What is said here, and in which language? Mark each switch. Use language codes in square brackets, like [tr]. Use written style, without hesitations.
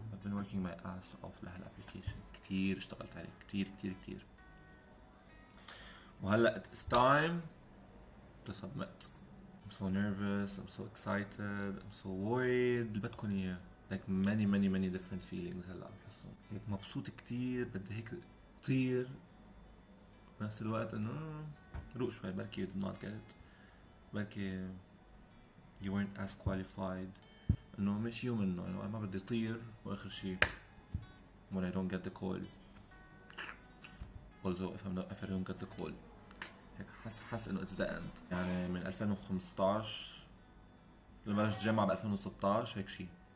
[en] I've been working my ass off [ar] لهال [en] application. [ar] كتير اشتغلت عليه, كتير كتير كتير. وهلا [en] it's time to submit. I'm so nervous, I'm so excited, I'm so worried. [ar] اللي بدكن اياه. [en] Like many many many different feelings [ar] هلا بحسهم. هيك مبسوط كتير, بدي هيك طير. بنفس الوقت انه روق شوي, بركي [en] you did not get it. [ar] بركي [en] you weren't as qualified. [ar] انه مش يوم انه انا ما بدي طير واخر شيء [en] when I don't get the call. Also if I'm not, if I don't get the call. [ar] هيك حس انه [en] it's the end. [ar] يعني من 2015 لما بلشت جامعة ب 2016 هيك شيء.